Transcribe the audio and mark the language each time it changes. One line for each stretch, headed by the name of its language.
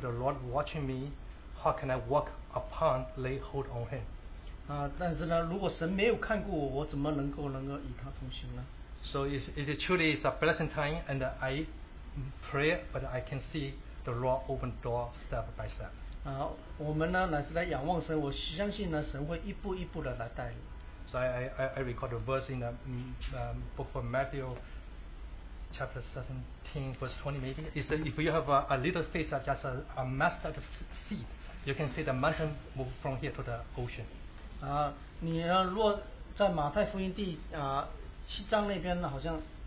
English: the Lord watching me, how can I walk upon, lay hold on Him?
Chinese: 但是呢，如果神没有看顾我，我怎么能够与他同行呢？
English: So it's truly a blessing time, and I pray, but I can see the Lord open door step by step.
Chinese: 我们呢乃是来仰望神，我相信呢神会一步一步的来带领。
English: So I record a verse in the book of Matthew, chapter 17, verse 20 maybe. It says, if you have a little faith, just a mustard seed, you can see the mountain move from here to the ocean.
Chinese: 你若在马太福音第七章那边呢，好像。